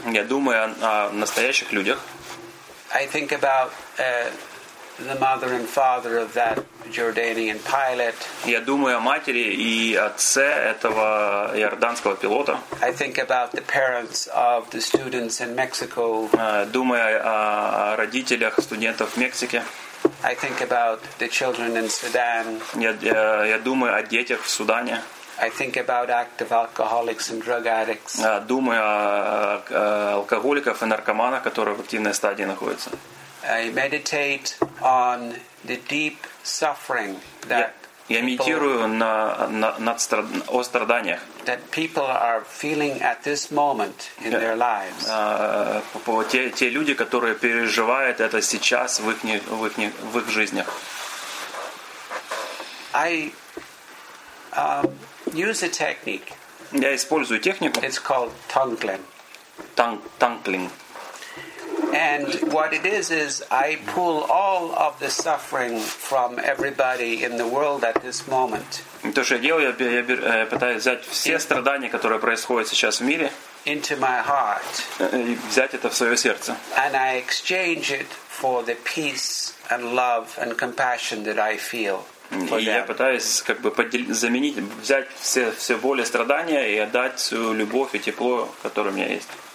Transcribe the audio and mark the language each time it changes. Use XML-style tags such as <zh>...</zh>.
<ru>Я думаю о настоящих людях.</ru> <en>I think about the mother and father of that Jordanian pilot.</en> <ru>Я думаю о матери и отце этого иорданского пилота.</ru> <en>I think about the parents of the students in Mexico.</en> <ru>Думаю о родителях студентов в Мексике.</ru> <en>I think about the children in Sudan.</en> <ru>Я думаю о детях в Судане.</ru> <en>I think about active alcoholics and drug addicts.</en> <ru>Думаю о алкоголиках и наркоманах, которые в активной стадии находятся.</ru> <en>I meditate on the deep suffering that</en> <ru>я медитирую о страданиях.</ru> <en>That people are feeling at this moment in their lives.</en> <ru>Те люди, которые переживают это сейчас в их жизнях.</ru> <en>I use a technique.</en> <ru>Я использую технику.</ru> <en>It's called tunkling.</en> <ru>Tunkling.</ru> <en>And what it is I pull all of the suffering from everybody in the world at this moment.</en> <ru>То, что я делаю, я пытаюсь взять все страдания, которые происходят сейчас в мире,</ru> <en>into my heart.</en> <ru>И взять это в свое сердце.</ru> <en>And I exchange it for the peace and love and compassion that I feel.</en> <ru>И я пытаюсь как бы заменить, взять все боли и страдания и отдать всю любовь и тепло, которое у меня есть.</ru>